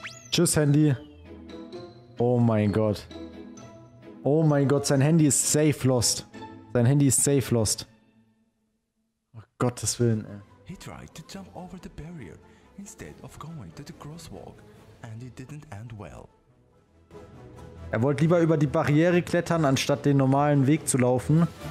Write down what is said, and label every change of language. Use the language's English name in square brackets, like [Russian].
[German] Tschüss, Handy. Oh mein Gott. Oh mein Gott, sein Handy ist safe lost. Sein Handy ist safe lost. Oh Gottes Willen, ey. [English] He tried to jump over the barrier instead of going to the crosswalk and it didn't end well. [German] Er wollte lieber über die Barriere klettern, anstatt den normalen Weg zu laufen.